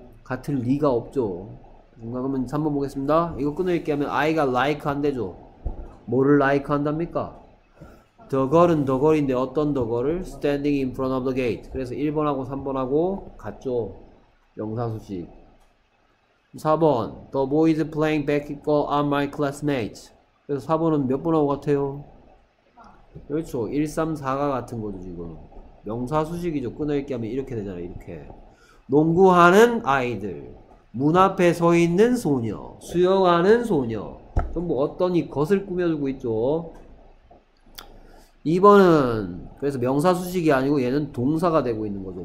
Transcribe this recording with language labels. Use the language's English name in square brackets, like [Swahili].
[Korean] 같을 리가 없죠. 뭔가 그러면 3번 보겠습니다. 이거 끊어있게 하면 아이가 like 한대죠. 뭐를 like 한답니까? [English] The girl은 the girl [Korean] 인데 어떤 [English] the girl을? Standing in front of the gate. [Korean] 그래서 1번하고 3번하고 같죠. 명사수식. 4번. [English] The boy is playing basketball on my classmates. [Korean] 그래서 4번은 몇 번하고 같아요? 그렇죠. 1, 3, 4가 같은 거죠, 지금. 명사수식이죠. 끊어있게 하면 이렇게 되잖아요, 이렇게. 농구하는 아이들. 문 앞에 서 있는 소녀. 수영하는 소녀. 전부 어떤 이 것을 꾸며주고 있죠. 2번은 그래서 명사수식이 아니고 얘는 동사가 되고 있는 거죠.